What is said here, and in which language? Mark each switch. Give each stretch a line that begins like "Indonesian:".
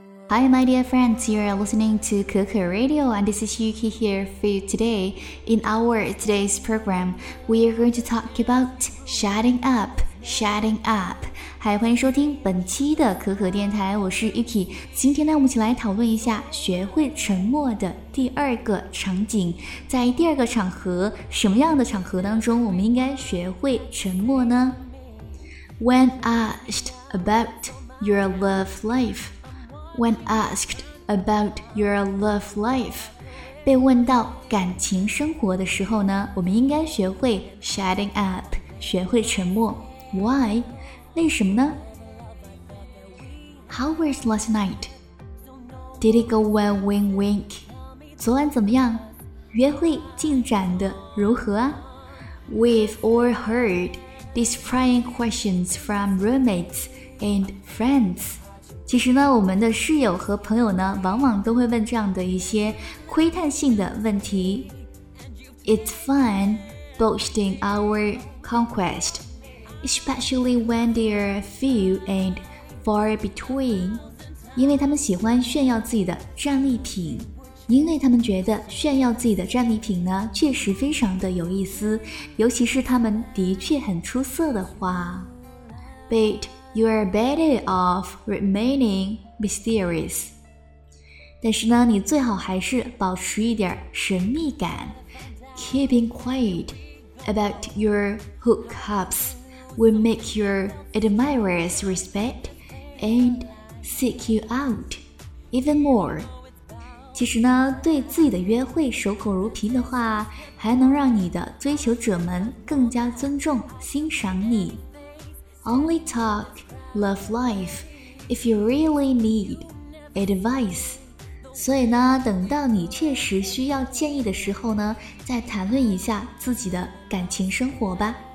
English: Hi, my dear friends, you are listening to Keke Radio, and this is Yuki here for you today. In our today's program, we are going to talk about shutting up, shutting up.
Chinese: 嗨，欢迎收听本期的可可电台，我是 Yuki。今天呢，我们一起来讨论一下学会沉默的第二个场景。在第二个场合，什么样的场合当中我们应该学会沉默呢？
English: When asked about your love life,
Chinese: When asked about your love life, 被问到感情生活的时候呢，我们应该学会
English: shutting up,
Chinese: 学会沉默。
English: Why?
Chinese: 为什么呢？
English: How was last night? Did it go well, wink wink?
Chinese: 昨晚怎么样？约会进展的如何啊？
English: We've all heard these prying questions from roommates and friends.
Chinese: 其实呢，我们的室友和朋友呢，往往都会问这样的一些窥探性的问题。
English: It's fun boasting our conquest. Especially when they are few and far between.
Chinese: 因为他们喜欢炫耀自己的战利品。因为他们觉得炫耀自己的战利品呢，确实非常的有意思，尤其是他们的确很出色的话。
English: But you are better off remaining mysterious.
Chinese: 但是呢，你最好还是保持一点神秘感。
English: Keeping quiet about your hookups. Will make your admirers respect and seek you out even more.
Chinese: 其实呢，对自己的约会守口如瓶的话，还能让你的追求者们更加尊重、欣赏你。
English: Only talk love life if you really need advice.
Chinese: 所以呢，等到你确实需要建议的时候呢，再谈论一下自己的感情生活吧。